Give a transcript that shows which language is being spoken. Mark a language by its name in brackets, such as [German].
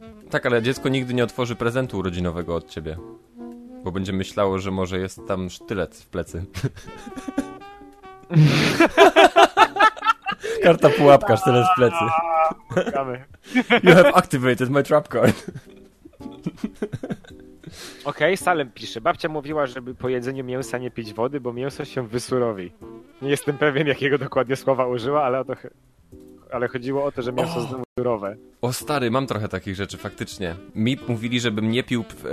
[Polish] Tak, ale dziecko nigdy nie otworzy prezentu urodzinowego od ciebie, bo będzie myślało, że może jest tam sztylet w plecy. Karta pułapka, sztylet w plecy. [English] You have activated my trap card. [Polish] Okej, okay, Salem pisze. Babcia mówiła, żeby po jedzeniu mięsa nie pić wody, bo mięso się wysurowi. Nie jestem pewien, jakiego dokładnie słowa użyła, ale chodziło o to, że mięso znowu surowe. O stary, mam trochę takich rzeczy, faktycznie. Mi mówili, żebym nie pił...